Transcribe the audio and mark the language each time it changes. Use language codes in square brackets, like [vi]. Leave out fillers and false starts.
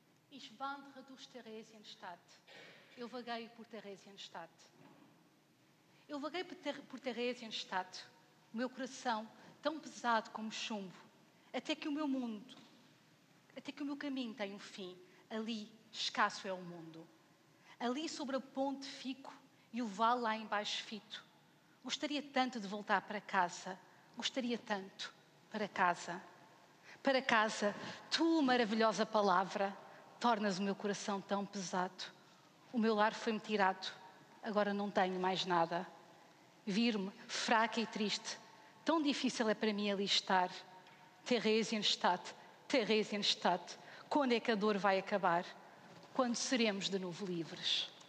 [de] Ich wandere durch Theresienstadt. [pt] Eu vaguei por Theresienstadt. Eu vaguei por Theresienstadt, o meu coração tão pesado como chumbo, até que o meu mundo, até que o meu caminho tem um fim. Ali, escasso é o mundo. Ali, sobre a ponte, fico e o vale lá embaixo fito. Gostaria tanto de voltar para casa. Gostaria tanto para casa. Para casa, tu, maravilhosa palavra, tornas o meu coração tão pesado. O meu lar foi-me tirado. Agora não tenho mais nada. Vir-me fraca e triste. Tão difícil é para mim ali estar. Theresienstadt, Theresienstadt. Quando é que a dor vai acabar? Quando seremos de novo livres?